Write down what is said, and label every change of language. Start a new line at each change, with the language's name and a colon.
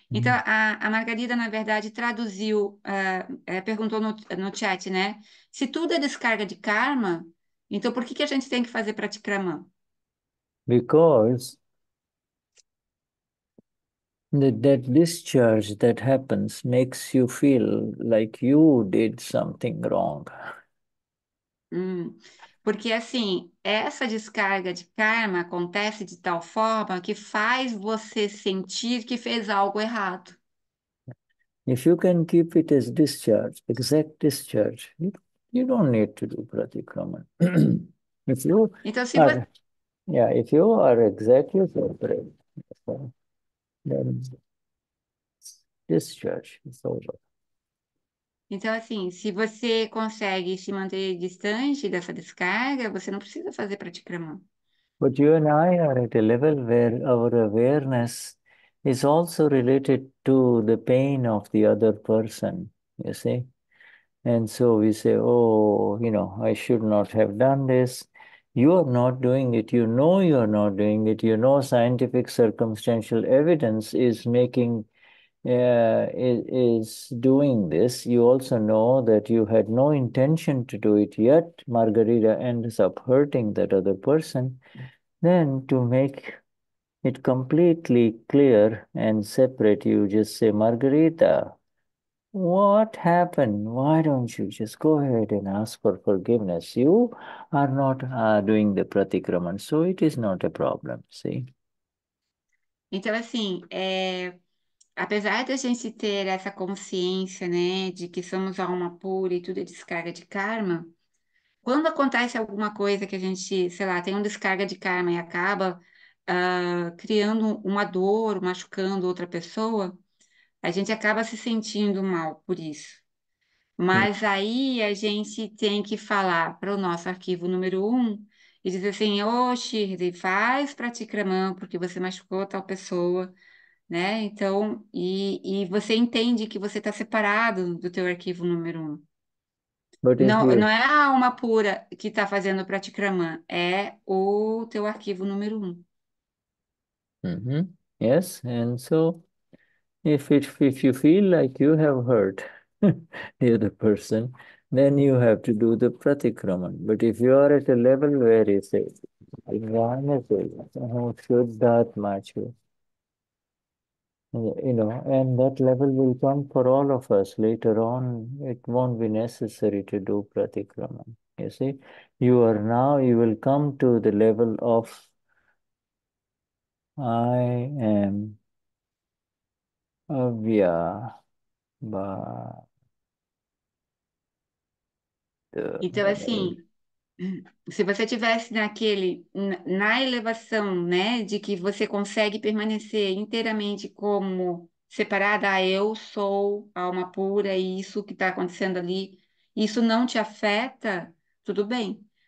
Portuguese: Então, a Margarida, na verdade, traduziu, perguntou no chat, né? Se tudo é descarga de karma, então por que que a gente tem que fazer pratikrama?
English: Because that discharge that happens makes you feel like you did something wrong.
Portuguese: Porque assim, essa descarga de karma acontece de tal forma que faz você sentir que fez algo errado.
English: If you can keep it as discharge, exact discharge, you don't need to do pratikrama.
Portuguese: Então, se você.
English: If you are exactly separate, then discharge is over.
Portuguese: Então, assim, se você consegue se manter distante dessa descarga, você não precisa fazer pratikrama.
English: But you and I are at a level where our awareness is also related to the pain of the other person, you see? And so we say, oh, I should not have done this. You are not doing it. You know you are not doing it. You know scientific circumstantial evidence is making, is doing this. You also know that you had no intention to do it, yet Margarita ends up hurting that other person. Then to make it completely clear and separate, you just say, Margarita, what happened? Why don't you just go ahead and ask for forgiveness? You are not doing the pratikraman, so it is not a problem, see?
Portuguese: Então, assim, apesar de a gente ter essa consciência, né, de que somos alma pura e tudo é descarga de karma, quando acontece alguma coisa que a gente, sei lá, tem uma descarga de karma e acaba, criando uma dor, machucando outra pessoa, a gente acaba se sentindo mal por isso. Mas aí a gente tem que falar para o nosso arquivo número 1. E dizer assim, ô, Shirley, faz pratikraman, porque você machucou tal pessoa, né? Então, e você entende que você está separado do teu arquivo número 1.
English: But if
Portuguese: Não,
English: you.
Portuguese: não é a alma pura que está fazendo pratikraman, é o teu arquivo número 1.
English: Yes, and so if you feel like you have hurt the other person, then you have to do the pratikraman. But if you are at a level where you say, and that level will come for all of us later on. It won't be necessary to do pratikraman. You see, you will come to the level of I am avyabhava.
Portuguese: Então, assim, se você tivesse naquele na elevação, né, de que você consegue permanecer inteiramente como separada, ah, eu sou alma pura e isso que está acontecendo ali, isso não te afeta, tudo bem.